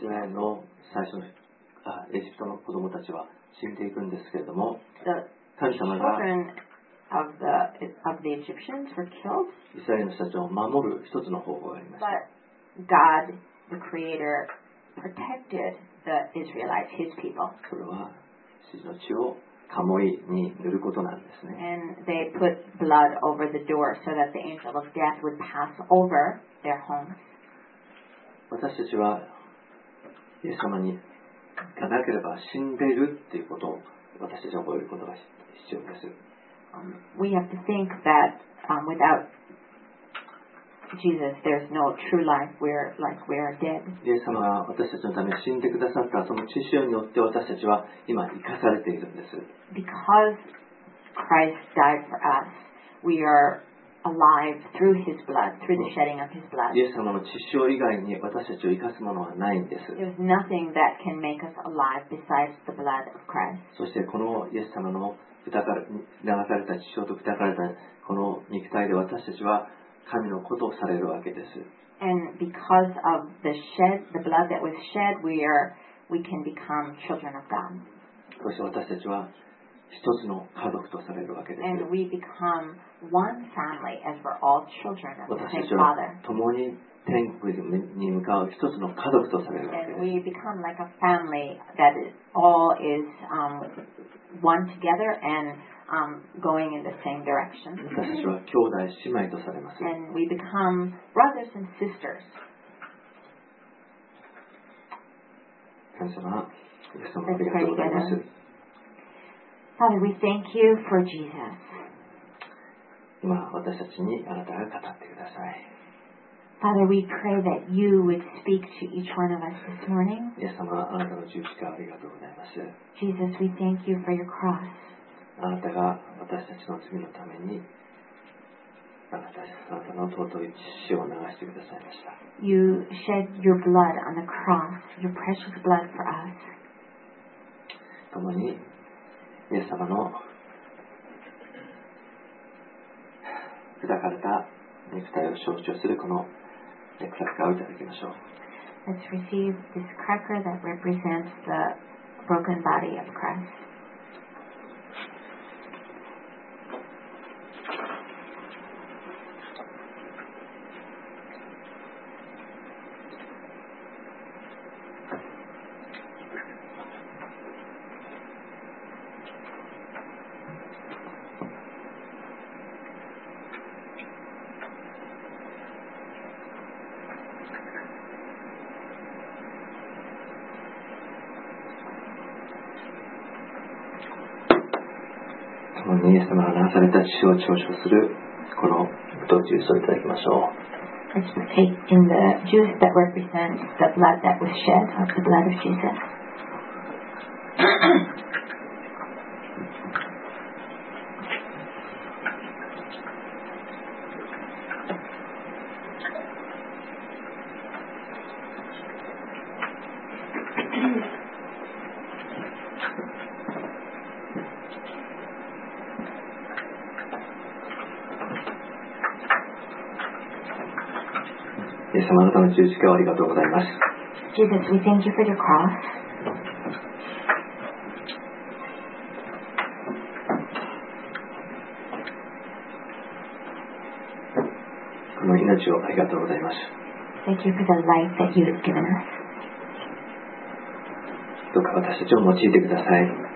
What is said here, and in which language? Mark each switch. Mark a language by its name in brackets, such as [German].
[English] killed. [Japanese] イスラエルの最初のエジプトの子供たちは死んでいくんですけれども、神様が [English] children of the Egyptians were killed. [Japanese] イスラエルの人たちを守る一つの方法がありました。 [English] But God, the Creator, protected the Israelites, His people. [Japanese] それは羊の血をカモイに塗ることなんですね。 [English] And they put blood over the door so that the angel of death would pass over their homes. [Japanese] 私たちはイエス様にがなければ死んでいるということを私たちは覚えることが必要です。 [English] We have to think that without Jesus, there's no true life. We're dead. [Japanese] イエス様が私たちのために死んでくださったその血潮によって私たちは今生かされているんです。 [English] Because Christ died for us, we are alive through His blood, through the shedding of His blood. [Japanese] イエス様の血潮以外に私たちを生かすものはないんです。 [English] There's nothing that can make us alive besides the blood of Christ. [Japanese] そしてこのイエス様の流された血潮と砕かれたこの肉体で私たちは神の子とされるわけです。 [English] And because of the blood that was shed, we can become children of God. [Japanese] そして私たちは一つの家族とされるわけです。 [English] And we become one family as we're all children of the same Father. [Japanese] 私たちは共に天国に向かう一つの家族とされるわけです。 [English] And we become like a family that all is one together and going in the same direction. [Japanese] 私たちは兄弟姉妹とされます。 [English] And we become brothers and sisters. [Japanese] 神様、皆様ありがとうございます。 [English] Father, we thank you for Jesus. [Japanese] 今私たちにあなたが語ってください。 [English] Father, we pray that you would speak to each one of us this morning. [Japanese] イエス様、あなたの十字架ありがとうございます。 [English] Jesus, we thank you for your cross. [Japanese] あなたが私たちの罪のためにあなたの尊い血を流してくださいました。 [English] You shed your blood on the cross, your precious blood for us. [Japanese] 共にイエス様の砕かれた肉体を象徴するこのクラッカーをいただきましょう。 [English] Let's receive this cracker that represents the broken body of Christ. [Japanese] イエス様が流された血を嘲笑するこのブドウジュースをいただきましょう。 [English] Let's take in the juice that represents the blood that was shed of the blood of Jesus. [Japanese] あなたの十字架をありがとうございます。 [English] Jesus, we thank you for your cross. [Japanese] 命をありがとうございます。 [English] Thank you for the life that you have given us. [Japanese] どうか私たちを用いてください。